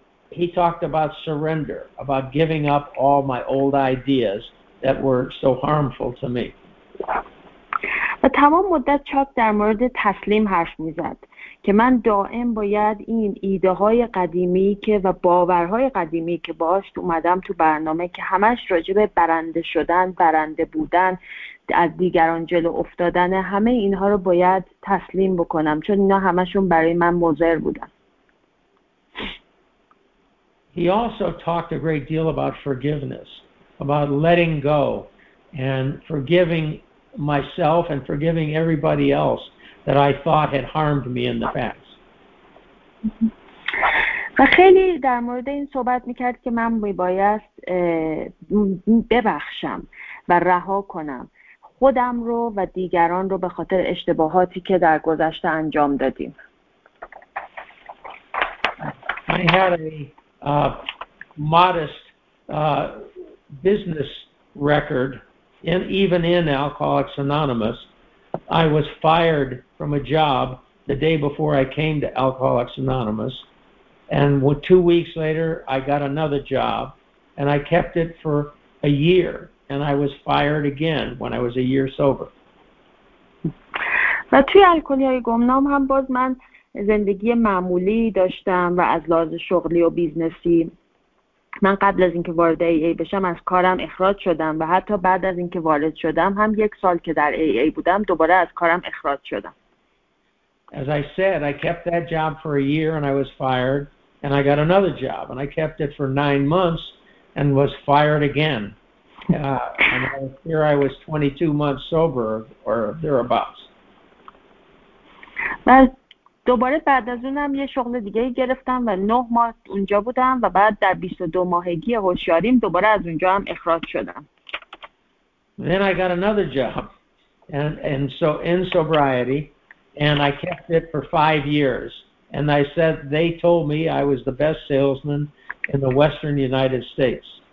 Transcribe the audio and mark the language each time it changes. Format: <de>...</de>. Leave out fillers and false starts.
<en>He talked about surrender, about giving up all my old ideas that were so harmful to me.</en> <fa>و تمام مدت چاک در مورد تسلیم حرف می‌زد که من دائم باید این ایده‌های قدیمی که و باورهای قدیمی که باهاش اومدم تو برنامه که همش راجع به برنده شدن، برنده بودن، از دیگران جلو افتادن، همه اینها رو باید تسلیم بکنم چون اینا همشون برای من مضر بودن.</fa> <en>He also talked a great deal about forgiveness, about letting go and forgiving myself and forgiving everybody else that I thought had harmed me in the past.</en> <fa>و خیلی در مورد این صحبت میکرد که من میبایست ببخشم و رها کنم خودم رو و دیگران رو به خاطر اشتباهاتی که در گذشته انجام دادیم.</fa> <en>I had a modest business record. And even in Alcoholics Anonymous, I was fired from a job the day before I came to Alcoholics Anonymous. And 2 weeks later, I got another job, and I kept it for a year. And I was fired again when I was a year sober.</en> <fa>و توی الکلی‌های گمنام هم باز من زندگی معمولی داشتم و از لحاظ شغلی و بیزنسی. من قبل از اینکه وارد ای ای بشم از کارم اخراج شدم و حتی بعد از اینکه وارد شدم هم یک سال که در ای ای بودم دوباره از کارم اخراج شدم.</fa> <en>As I said, I kept that job for a year and I was fired and I got another job and I kept it for 9 months and was fired again. And here I was 22 months sober or thereabouts.</en> <fa>دوباره بعد از اونم یه شغل دیگه گرفتم و 9 ماه اونجا بودم و بعد در 22 ماهگی هوشیاریم دوباره از اونجا هم اخراج شدم.</fa> <en>Then I got another job and so in sobriety and I kept it for 5 years and I said they told me I was the best salesman in the Western United States.</en>